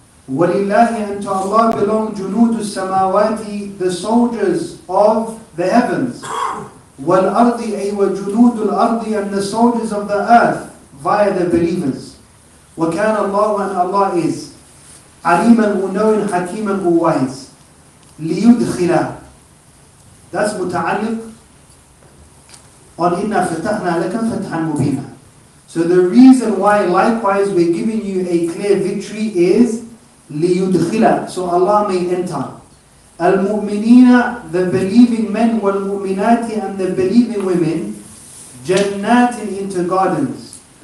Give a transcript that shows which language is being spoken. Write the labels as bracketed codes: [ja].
[ar] وَلِلَّهِ, [en] and to Allah belong [ar] جُنُودُ السَّمَاوَاتِ, [en] the soldiers of the heavens. [ar] وَالْأَرْضِ, أي وَجُنُودُ الْأَرْضِ, [en] and the soldiers of the earth via the believers. [ar] وَكَانَ اللَّهُ, [en] and Allah is [ar] عَلِيمًا, [en] who knows, [ar] حَكِيمًا, [en] who wise. [ar] لِيُدْخِلَ, [en] that's [ar] متعلق on إِنَّا فَتَحْنَا لَكَ فَتْحًا مُبِينًا. [en] So the reason why likewise we're giving you a clear victory is [ar] لِيُدْخِلَ, [en] so Allah may enter. [ar] الْمُؤْمِنِينَ, [en] the believing men, [ar] وَالْمُؤْمِنَاتِ, [en] and the believing women, [ar] جَنَّاتٍ, [en] into gardens.